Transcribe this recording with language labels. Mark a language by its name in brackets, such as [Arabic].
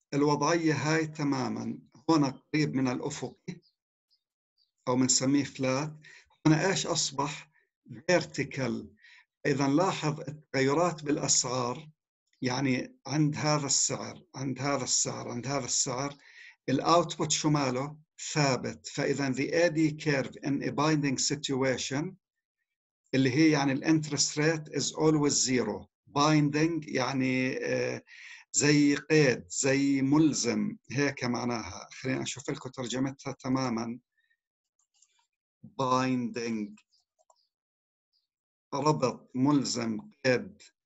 [Arabic] الوضعية هاي تماما، هنا قريب من الأفق أو منسميه فلات، هنا إيش أصبح؟ فيرتيكال. إذا لاحظ التغيرات بالأسعار، يعني عند هذا السعر، عند هذا السعر، عند هذا السعر، الأوتبوت شماله ثابت. فإذا [English] the AD curve in a binding situation [Arabic] اللي هي يعني [English] الانترست rate is always zero. [Arabic] binding يعني زي قيد، زي ملزم، هيك معناها. خلينا أشوف لكم ترجمتها تماما. binding ربط، ملزم، قيد.